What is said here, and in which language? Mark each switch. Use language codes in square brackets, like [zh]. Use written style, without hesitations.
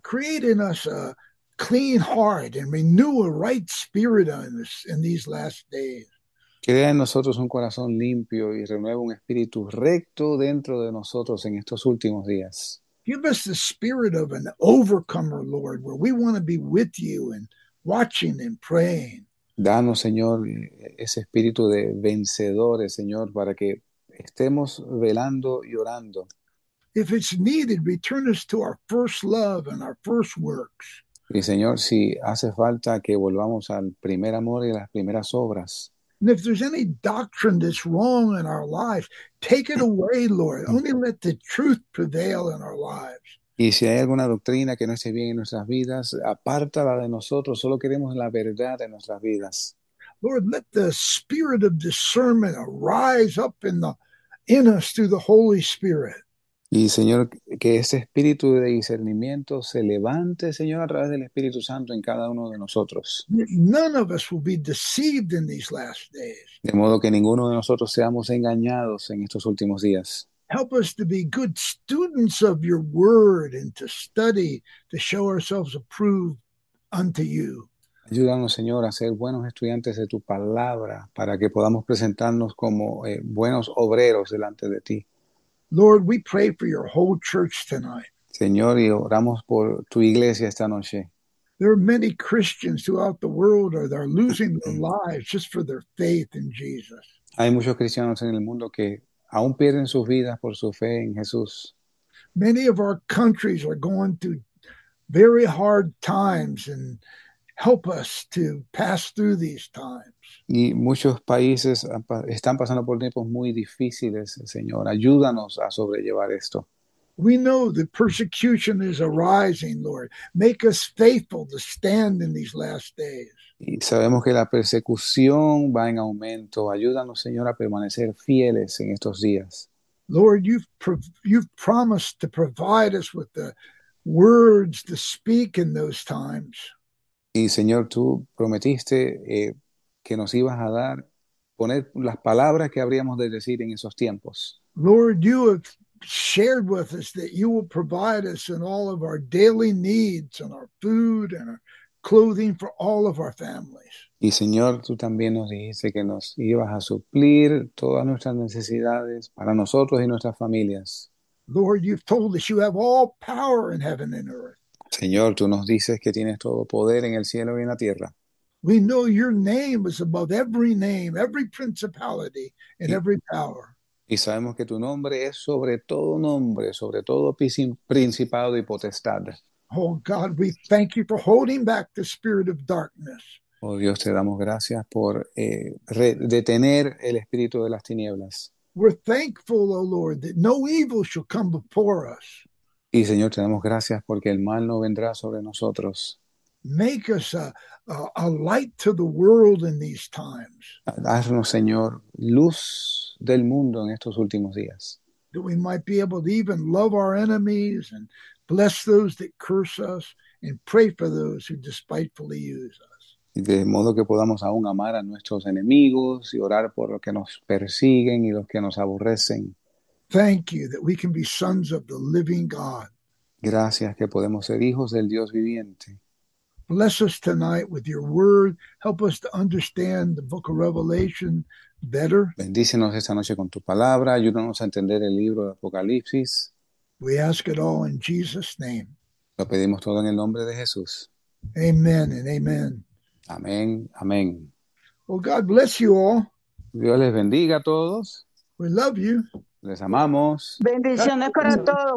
[en] Create in us a clean heart and renew a right spirit on us in these last days. [es] Crea en nosotros un corazón limpio y renueva un espíritu recto dentro de nosotros en estos últimos días. [en] Give us the spirit of an overcomer, Lord, where we want to be with you and watching and praying. [es] Danos, Señor, ese espíritu de vencedores, Señor, para que estemos velando y orando. [en] If it's needed, return us to our first love and our first works. [es] Y, Señor, si hace falta que volvamos al primer amor y las primeras obras. [en] And if there's any doctrine that's wrong in our life, take it away, Lord. Only let the truth prevail in our lives. [es] Y si hay alguna doctrina que no esté bien en nuestras vidas, apártala de nosotros. Solo queremos la verdad en nuestras vidas. [en] Lord, let the spirit of discernment arise up in us through the Holy Spirit. [es] Y Señor, que ese espíritu de discernimiento se levante, Señor, a través del Espíritu Santo en cada uno de nosotros. [en] None of us will be deceived in these last days. [es] De modo que ninguno de nosotros seamos engañados en estos últimos días. [en] Help us to be good students of your word and to study to show ourselves approved unto you. [es] Ayúdanos, Señor, a ser buenos estudiantes de tu palabra para que podamos presentarnos como buenos obreros delante de ti. [en] Lord, we pray for your whole church tonight. [es] Señor, y oramos por tu iglesia esta noche. [en] There are many Christians throughout the world that are losing their lives just for their faith in Jesus. [es] Hay muchos cristianos en el mundo que aún pierden sus vidas por su fe en Jesús. [en] Many of our countries are going through very hard times and help us to pass through these times. [es] Y muchos países están pasando por tiempos muy difíciles, Señor. Ayúdanos a sobrellevar esto. [en] We know the persecution is arising, Lord. Make us faithful to stand in these last days. [es] Y sabemos que la persecución va en aumento. Ayúdanos, Señor, a permanecer fieles en estos días. [en] Lord, you've promised to provide us with the words to speak in those times. [es] Y Señor, tú prometiste que nos ibas a dar, poner las palabras que habríamos de decir en esos tiempos. [en] Lord, you have shared with us that you will provide us in all of our daily needs and our food and our clothing for all of our families. [es] Y Señor, tú también nos dijiste que nos ibas a suplir todas nuestras necesidades para nosotros y nuestras familias. [en] Lord, you've told us you have all power in heaven and earth. [es] Señor, tú nos dices que tienes todo poder en el cielo y en la tierra. [en] We know your name is above every name, every principality, and every power. [es] Y sabemos que tu nombre es sobre todo nombre, sobre todo principado y potestad. [en] Oh God, we thank you for holding back the spirit of darkness. [es] Oh Dios, te damos gracias por detener el espíritu de las tinieblas. [en] We're thankful, oh Lord, that no evil shall come before us. [es] Y Señor, te damos gracias porque el mal no vendrá sobre nosotros. [en] Make us a light to the world in these times. [es] Haznos, Señor, luz del mundo en estos últimos días. [en] That we might be able to even love our enemies and bless those that curse us and pray for those who despitefully use us. [es] De modo que podamos aún amar a nuestros enemigos y orar por los que nos persiguen y los que nos aborrecen. [en] Thank you that we can be sons of the living God. [es] Gracias que podemos ser hijos del Dios viviente. [en] Bless us tonight with your word. Help us to understand the book of Revelation better. [es] Bendícenos esta noche con tu palabra. Ayúdanos a entender el libro de Apocalipsis. [en] We ask it all in Jesus' name. [es] Lo pedimos todo en el nombre de Jesús. [en] Amen and amen. [es] Amén, amén. [en] Well, God bless you all. [es] Dios les bendiga a todos. [en] We love you. [es] Les amamos. Bendiciones para todos.